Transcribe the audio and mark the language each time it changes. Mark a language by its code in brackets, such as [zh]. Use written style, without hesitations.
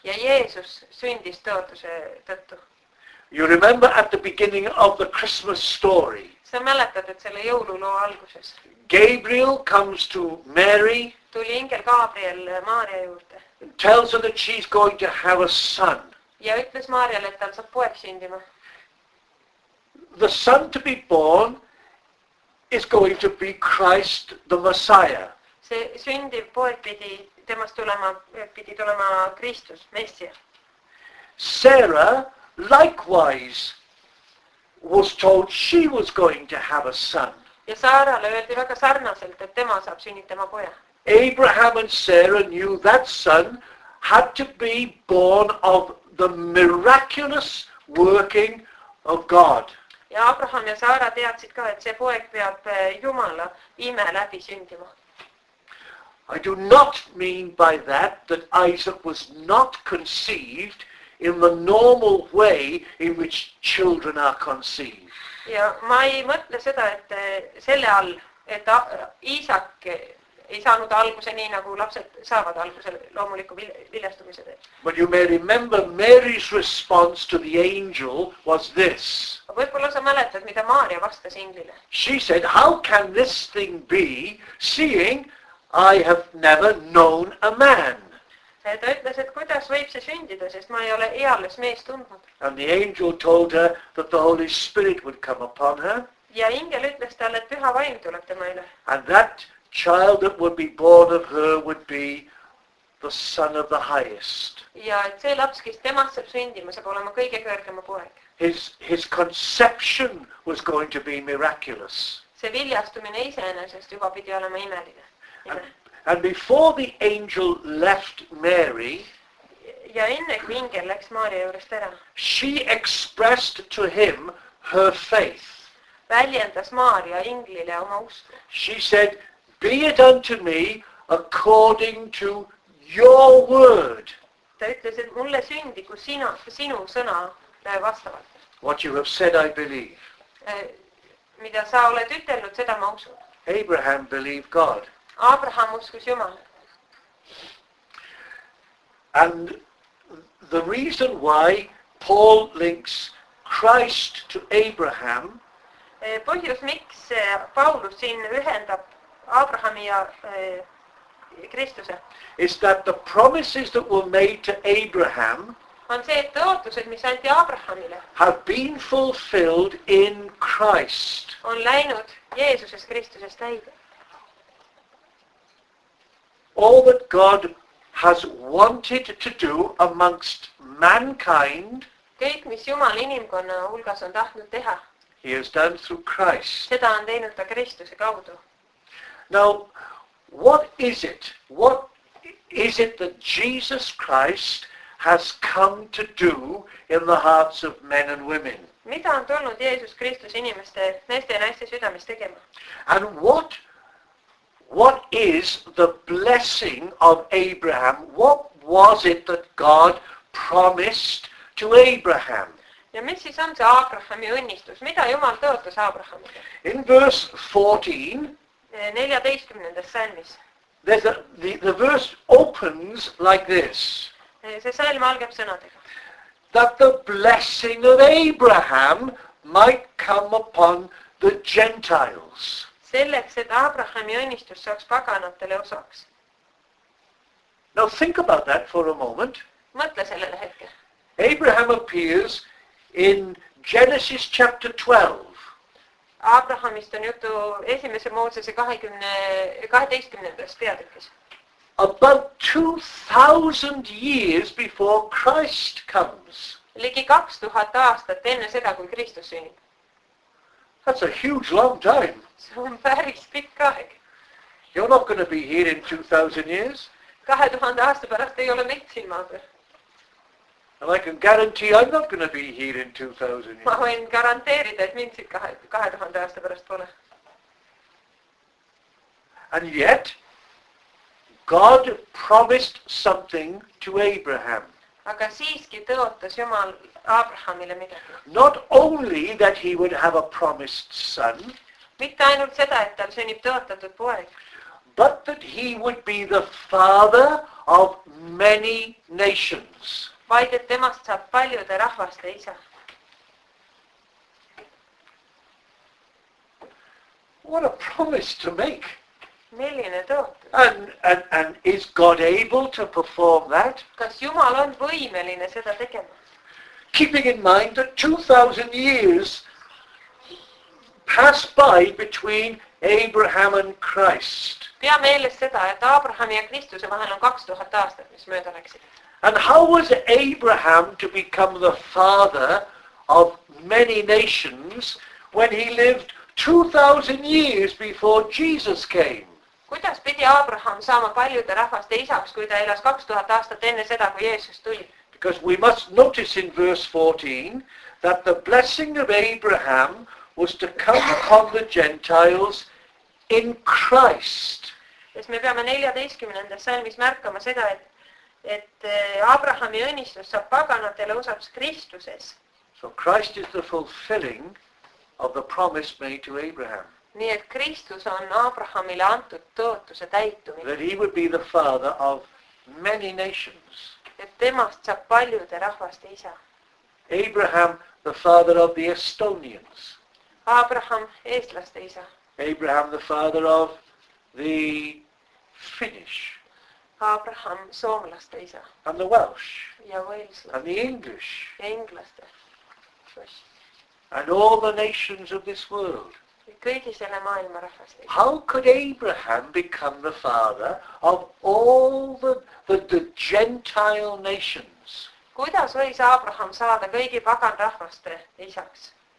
[et] Ja Jeesus sündis tõotuse tõttu. [en] You remember at the beginning of the Christmas story. [et] Sa mäletad, et selle joululoo alguses. [en] Gabriel comes to Mary. [et] Tuli ingel Gabriel Maaria juurde. [en] Tells her that she's going to have a son. [et] Ja ütles Maarial, et tal saab poeg sündima. [en] The son to be born is going to be Christ the Messiah. [et] See sündiv poeg pidi temast tulema, pidi tulema Kristus, Messia. [en] Sarah likewise was told she was going to have a son. [et] Ja Saarale öeldi väga sarnaselt, et tema saab sünnitama poja. [en] Abraham and Sarah knew that son had to be born of the miraculous working of God. [et] Ja Abraham ja Saara teadsid ka, et see poeg peab Jumala ime läbi sündima. [en] I do not mean by that that Isaac was not conceived in the normal way in which children are conceived. [et] Ja ma ei mõtle seda, et selle all, et Isaac ei saanud alguse nii nagu lapsed saavad alguse loomuliku viljastumise teel. [en] But you may remember Mary's response to the angel was this. [et] Võib-olla sa mäletad, mida Maaria vastas inglile. [en] She said, how can this thing be, seeing I have never known a man. [et] Ta ütles, et kuidas võib see sündida, sest ma ei ole eales mees tundnud. [en] And the angel told her that the Holy Spirit would come upon her. [et] Ja ingel ütles talle, et püha vaim tuleb tema üle. [en] And that child that would be born of her would be the son of the highest. [et] Ja et see laps, kes temast saab sündima, saab olema kõige kõrgema poeg. [en] His conception was going to be miraculous. [et] See viljastumine iseenesest juba pidi olema imeline. [en] And before the angel left Mary, [et] ja enne kui ingel läks Maaria juurest ära, [en] she expressed to him her faith. [et] Väljendas Maaria inglile oma usku. [en] She said, be it unto me according to your word. [et] Ta ütles, et mulle sündigu sinu sõna vastavalt. [en] What you have said, I believe. [et] Mida sa oled ütelnud, seda ma usun. [en] Abraham believed God. [et] Abraham uskus Jumala. [en] And the reason why Paul links Christ to Abraham. [et] Põhjus, miks Paulus siin ühendab Abrahami ja Kristuse. [en] Is that the promises that were made to Abraham. [et] On see, et tõotused, mis anti Abrahamile. [en] Have been fulfilled in Christ. [et] On läinud Jeesusest Kristusest täide. [en] All that God has wanted to do amongst mankind. [et] Kõik, mis Jumal inimkonna hulgas on tahtnud teha. [en] He has done through Christ. [et] Seda on teinud ta Kristuse kaudu. [en] Now, What is it? What is it that Jesus Christ has come to do in the hearts of men and women? [et] Mida on tulnud Jeesus Kristus inimeste, meeste ja naiste südames tegema? [en] And what is the blessing of Abraham? What was it that God promised to Abraham? [et] Ja mis siis on see Abrahami õnnistus? Mida Jumal tõotas Abrahamile? [en] In verse 14, [et] 14. Salmis. [en] The verse opens like this. [et] See salm algab sõnadega. [en] That the blessing of Abraham might come upon the Gentiles. [et] Selleks, et Abrahami õnnistus saaks paganatele osaks. [en] Now think about that for a moment. [et] Mõtle sellele hetke. [en] Abraham appears in Genesis chapter 12. [et] Abrahamist on juttu esimese Moosese 12. Peatükis. [en] About 2000 years before Christ comes. [et] Ligi 2000 aastat enne seda, kui Kristus sünnib. [en] That's a huge long time. [et] See on päris pikk aeg. [en] You're not going to be here in 2000 years. [et] 2000 aasta pärast ei ole meid siin maadur. [en] And I can guarantee I'm not going to be here in 2000 years. [et] Ma võin garanteerida, et mind siit 2000 aasta pärast pole. [en] And yet, God promised something to Abraham. [et] Aga siiski tõotas Jumal Abrahamile midagi. [en] Not only that he would have a promised son. [et] Mitte ainult seda, et tal sünnib tõotatud poeg. [en] But that he would be the father of many nations. [et] Vaid, et temast saab paljude rahvaste isa. [en] What a promise to make. [et] Milline tõotus. [en] And is God able to perform that? [et] Kas Jumal on võimeline seda tegema? [en] Keeping in mind that 2000 years pass by between Abraham and Christ. [et] Pea meeles seda, et Abraham ja Kristuse vahel on 2000 aastat, mis mööda läksid. [en] And how was Abraham to become the father of many nations when he lived 2000 years before Jesus came? [et] Kuidas pidi Abraham saama paljude rahvaste isaks, kui ta elas 2000 aastat enne seda, kui Jeesus tuli? [en] Because we must notice in verse 14 that the blessing of Abraham was to come upon the Gentiles in Christ. [et] Sest me peame 14. Salmis märkama seda, et Abrahami õnnistus saab paganatele osaks Kristuses. [en] So Christ is the fulfilling of the promise made to Abraham. [et] Nii et Kristus on Abrahamile antud tõotuse täitumine. [en] That he would be the father of many nations. [et] Et temast saab paljude rahvaste isa. [en] Abraham, the father of the Estonians. [et] Abraham, eestlaste isa. [en] Abraham, the father of the Finnish. [et] Abraham, soomlaste isa. [en] And the Welsh. [et] Ja Waleslaste. [en] And the English. [et] Ja inglaste. [en] And all the nations of this world. [et] Kõigisele maailma rahvaste isa. [en] How could Abraham become the father of all the Gentile nations? [et] Kuidas võis Abraham saada kõigi pagan rahvaste isaks?